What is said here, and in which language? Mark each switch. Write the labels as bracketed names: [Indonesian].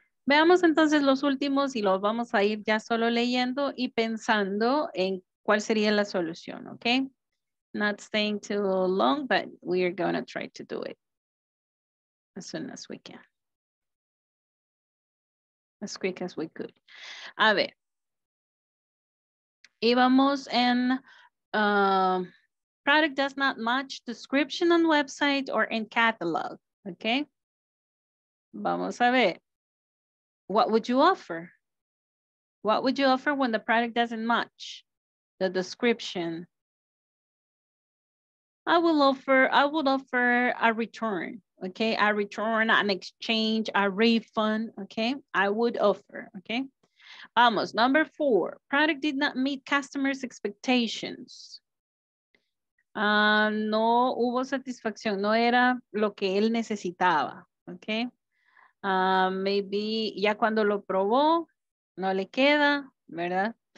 [Spanish] Veamos entonces los últimos y los vamos a ir ya solo leyendo y pensando en cuál sería la solución, okay? [English] Not staying too long, but we are going to try to do it as soon as we can. As quick as we could. [Spanish] A ver. Y vamos en [English] product does not match description on website or in catalog, okay? [Spanish] Vamos a ver. [English] What would you offer? What would you offer when the product doesn't match the description? I would offer a return, okay? A return, an exchange, a refund, okay? I would offer, okay? [Spanish] Vamos, [English] number four, product did not meet customers' expectations. [Spanish] No hubo satisfacción, no era lo que él necesitaba, okay? Maybe ya cuando lo probó, no le queda, ¿verdad?